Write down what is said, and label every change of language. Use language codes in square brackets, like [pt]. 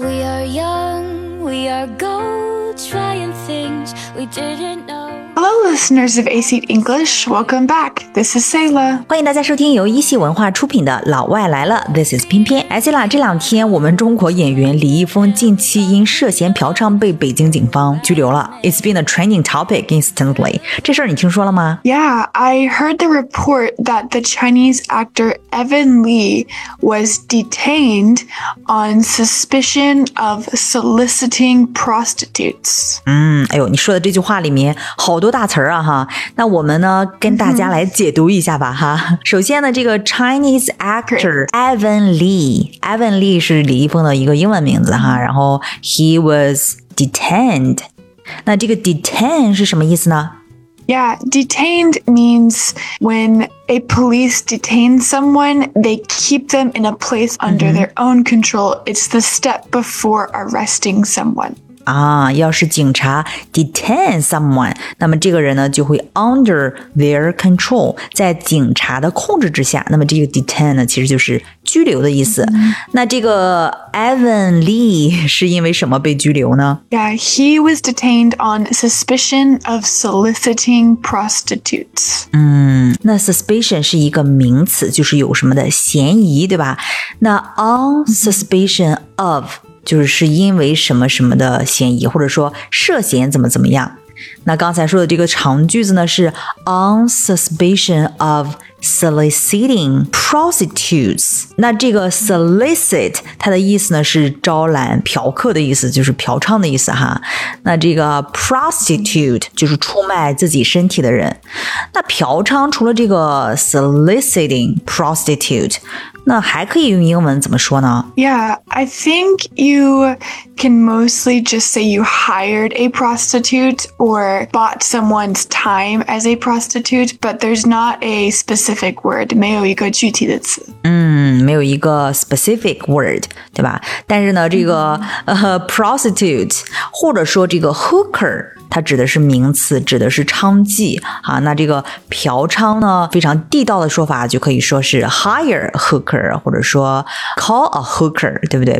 [en] We are gold trying things we didn't know. Hello, listeners of ACET English. Welcome back. This is Sayla. [zh] 欢迎大家收听由一席文化出品的《老外来了》。 [en] This is 翩翩。 [zh] 哎，Sayla，这两天我们中国演员李易峰近期因涉嫌嫖娼被北京警方拘留了。 [en] It's been a trending topic instantly. [zh] 这事儿你听说了吗 [en] ？Yeah, I heard the report that the Chinese actor Evan Lee was detained on suspicion of soliciting prostitutes. [zh] 哎呦，你说的这句话里面好多大词啊哈，那我们呢跟大家来解读一下吧哈。首先呢，这个 [en] Chinese actor Evan Lee [zh] 是李易峰的一个英文名字哈，然后 [en] he was detained， [zh] 那这个 detained 是什么意思呢？ [en] Yeah, detained means when a police detain someone, they keep them in a place under their own control. It's the step before arresting someone. [zh] 要是警察 [en] detain someone, [zh] 那么这个人呢就会 [en] under their control, [zh] 在警察的控制之下，那么这个 detain 呢其实就是拘留的意思。那这个 Evan Lee 是因为什么被拘留呢？ [en] Yeah, he was detained on suspicion of soliciting prostitutes. [zh] 那 suspicion 是一个名词，就是有什么的嫌疑，对吧？那 [en] on suspicion of [zh] 就是因为什么什么的嫌疑，或者说涉嫌怎么怎么样。那刚才说的这个长句子呢，是 [en] on suspicion of soliciting prostitutes。 [zh] 那这个 solicit 它的意思呢是招揽嫖客的意思，就是嫖娼的意思哈。那这个 prostitute 就是出卖自己身体的人。那嫖娼除了这个 [en] soliciting prostitute， [zh] 那还可以用英文怎么说呢？ [en] Yeah, I think you can mostly just say you hired a prostitute or bought someone's time as a prostitute, but there's not a specific word. [zh] 没有一个具体的词。没有一个 [en] specific word, [zh] 对吧？但是呢，这个prostitute 或者说这个 hooker它指的是名词，指的是娼妓啊。那这个嫖娼呢，非常地道的说法就可以说是 [en] hire a hooker， [zh] 或者说 [en] call a hooker， [zh] 对不对？